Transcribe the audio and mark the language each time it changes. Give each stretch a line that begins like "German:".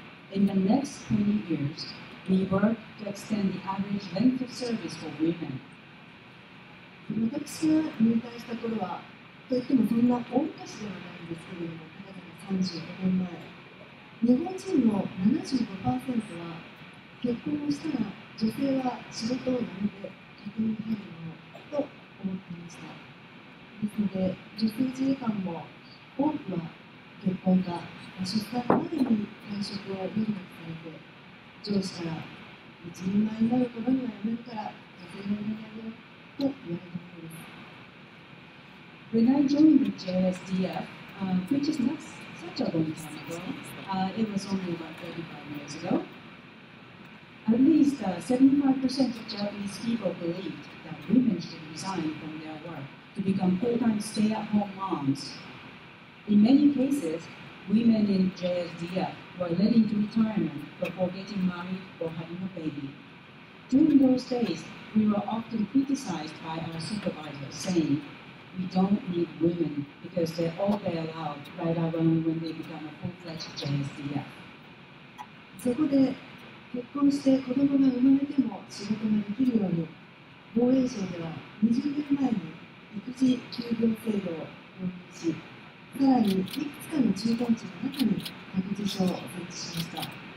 English: In the next 20 years, we work to extend the average length of service for women.
Japanese: 私が入隊した頃は、といってもそんな大昔ではないんですけれども、ただでも35年前、日本人の 75% は、結婚をしたら女性は仕事を辞めて家庭に入るのと思っていました。ですので、女性自衛官も多くは結婚が出産までに退職を余儀なくされて、上司から一人前になる頃には辞めるから女性の辞めようと言われて、
English: When I joined the JSDF, which is not such a long time ago, it was only about 35 years ago, at least 75% of Japanese people believed that women should resign from their work to become full-time stay-at-home moms. In many cases, women in JSDF were led into retirement before getting married or having a baby. During those days, we were often criticized by our supervisors saying,We don't need women because they're all bailed out right around when they become a full-fledged JSDF.
Japanese: そこで結婚して子供が生まれても仕事ができるように防衛省では20年前に育児休業制度を導入し、さらにいくつかの駐屯地の中に託児所を設置しました。